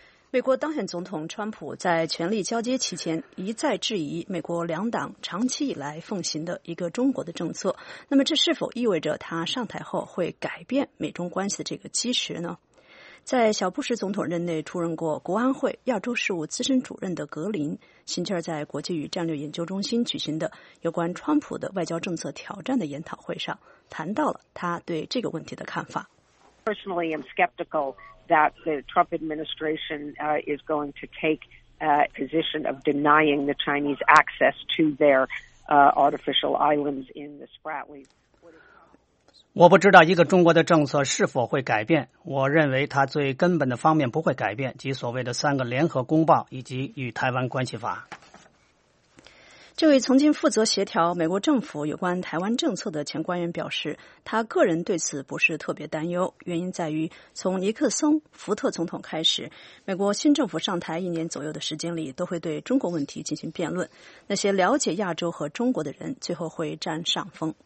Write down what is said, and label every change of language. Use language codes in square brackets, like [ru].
[zh] 美国当选总统川普在权力交接期间一再质疑美国两党长期以来奉行的一个中国的政策，那么这是否意味着他上台后会改变美中关系的这个基石呢？在小布什总统任内出任过国安会亚洲事务资深主任的格林，星期二在国际与战略研究中心举行的有关川普的外交政策挑战的研讨会上谈到了他对这个问题的看法。 [en] Personally, I'm skeptical. That the Trump administration is going to take a position of denying the Chinese access to their artificial islands in the Spratly. [zh] 我不知道一个中国的政策是否会改变。我认为它最根本的方面不会改变，即所谓的三个联合公报以及与台湾关系法。这位曾经负责协调美国政府有关台湾政策的前官员表示，他个人对此不是特别担忧，原因在于从尼克松、福特总统开始，美国新政府上台一年左右的时间里都会对中国问题进行辩论，那些了解亚洲和中国的人最后会占上风。